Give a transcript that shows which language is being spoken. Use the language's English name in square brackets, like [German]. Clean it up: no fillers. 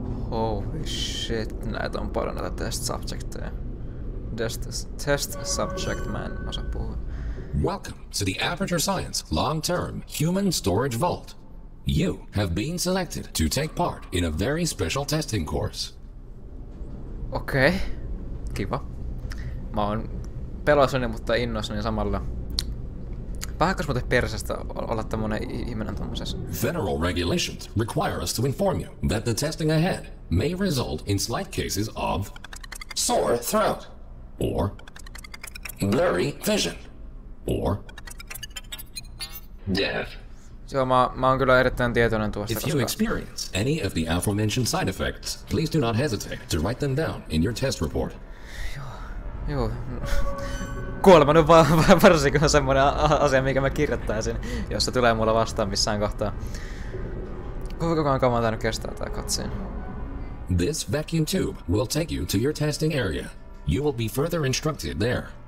[English] Holy shit, [Finnish] näitä on paljon näitä test subjecteja. Test subject, mä en osaa puhua. [English] Welcome to the Aperture Science Long-Term Human Storage Vault. You have been selected to take part in a very special testing course. [Finnish] Okei. Kiva. Mä oon pelossani, mutta innoissani samalla. Pahakas muuten persästä olla tämmönen ihminen tommosessa. [English] Federal regulations require us to inform you that the testing ahead may result in slight cases of sore throat or blurry vision or death. [Finnish] Joo, mä oon kyllä erittäin tietoinen tuosta. [English] If you experience any of the aforementioned side effects, please do not hesitate to write them down in your test report. [Finnish] Joo. Kuolema nyt varsinkin on semmonen asia, mikä mä kirjoittaisin, jos se tulee mulla vastaan missään kohtaa. Kuinka kauan kamaa tää nyt kestää tää katsiin? [English] This vacuum tube will take you to your testing area. You will be further instructed there.